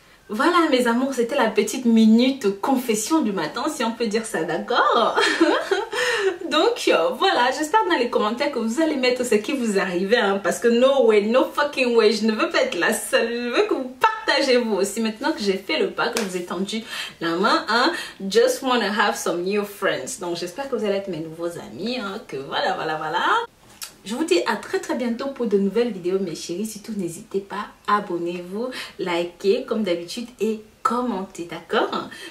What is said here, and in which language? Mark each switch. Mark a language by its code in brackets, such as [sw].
[fr] Voilà, mes amours, c'était la petite minute confession du matin, si on peut dire ça, d'accord? Donc, voilà, j'espère dans les commentaires que vous allez mettre ce qui vous arrivait. Hein, parce que [en] no way, no fucking way, [fr] je ne veux pas être la seule. Je veux que vous partiez. Partagez-vous aussi maintenant que j'ai fait le pas, que je vous ai tendu la main. Hein? [en] Just wanna have some new friends. [fr] Donc j'espère que vous allez être mes nouveaux amis. Hein? Que voilà, voilà, voilà. Je vous dis à très très bientôt pour de nouvelles vidéos, mes chéris. Surtout, n'hésitez pas, abonnez-vous, likez comme d'habitude et commentez, d'accord?